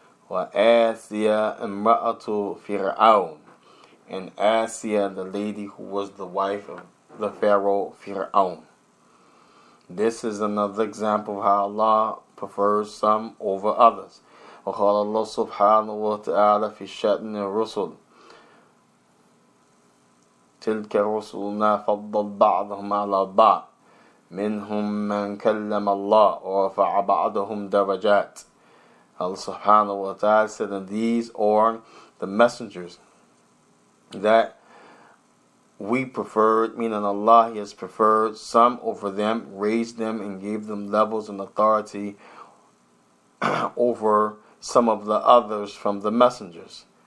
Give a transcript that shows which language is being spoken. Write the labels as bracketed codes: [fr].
[ar] وَآسِيَ إِمْرَأَةُ فِرْعَوْنَ, [en] and Asiya, the lady who was the wife of the Pharaoh Fir'aun. This is another example of how Allah prefers some over others. [ar] وقال الله سبحانه وتعالى في شأن الرسل تلك رسلنا فضل بعضهم على بعض منهم من كلم الله ورفع بعضهم درجات. الله سبحانه وتعالى [en] said, and these are the messengers that we preferred, meaning Allah, He has preferred some over them, raised them, and gave them levels and authority over some of the others from the messengers.